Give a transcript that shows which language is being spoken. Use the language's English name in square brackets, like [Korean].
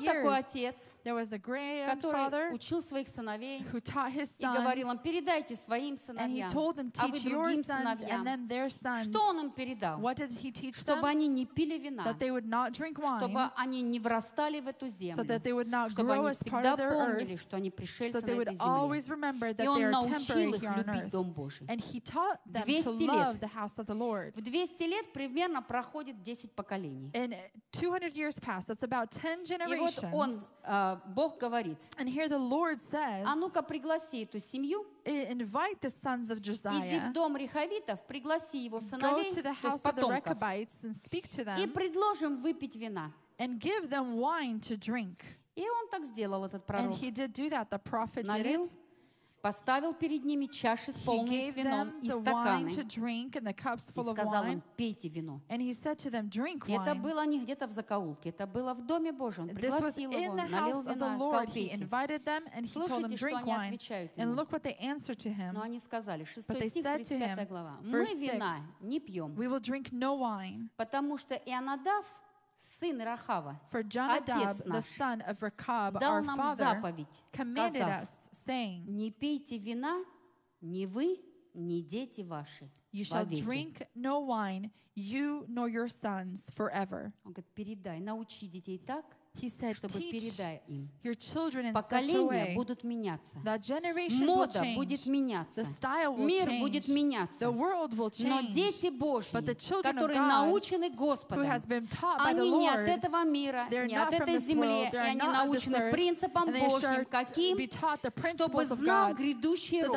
[Russian] Жил такой отец. [English] There was a grandfather. [Russian] Который учил своих сыновей. [English] Who taught his sons. [Russian] И говорил им: передайте своим сыновьям. [English] And he told them, teach your sons [Russian] сыновьям. [English] And then their sons. [Russian] Что он им передал? [English] What did he teach [Russian] чтобы [English] them? [Russian] Они не пили вина. [English] That they would not drink wine. [Russian] Чтобы они не врастали в эту землю. [English] So that they would not grow as part of their earth. [Russian] Чтобы они всегда помнили, что они пришельцы на этой земле. [English] So they would always remember that they are temporary here on earth. [Russian] И он научил их любить дом Божий. [English] And he taught them to love the house of the Lord. [Russian] В 200 лет примерно проходит 10 поколений. [English] And 200 years pass. That's about 10 generations. [Russian] И вот он, Бог говорит. [English] And here the Lord says. [Russian] А ну-ка пригласи эту семью. [English] Invite the sons of Josiah. [Russian] Иди в дом Рехавитов, пригласи его сыновей, то есть потомков. [English] And speak to them. [Russian] И предложим выпить вина. [English] And give them wine to drink. [Russian] И он так сделал, этот пророк. [English] And he did do that. The prophet did it. [Russian] Поставил перед ними чаши с полными вином и стаканы. И сказал им: пейте вино. И это было не где-то в закоулке, это было в доме Божьем. Пригласил его, налил вина, сказал: пейте. Слушайте, что они отвечают ему. Но они сказали, 6 стих, 35 глава: мы вина не пьем, потому что Ионадав, сын Рахава, отец наш, дал нам заповедь, сказав: не пейте вина, ни вы, ни дети ваши. [English] You shall drink no wine, you nor your sons forever. [Russian] Он говорит: передай, научи детей так. [English] He said, [Russian] чтобы передай им. [English] Your children in such a way. [Russian] Поколения будут меняться. [English] That generations [Russian] мода [English] will change. [Russian] Мода будет меняться. [English] The style will [Russian] Мир [English] change. [Russian] Будет меняться. [English] The world will change. [Russian] Но дети Божьи, которые научены Господом, они не от этого мира, не от этой земли, и они научены принципам Божьим, каким, чтобы знал грядущий род.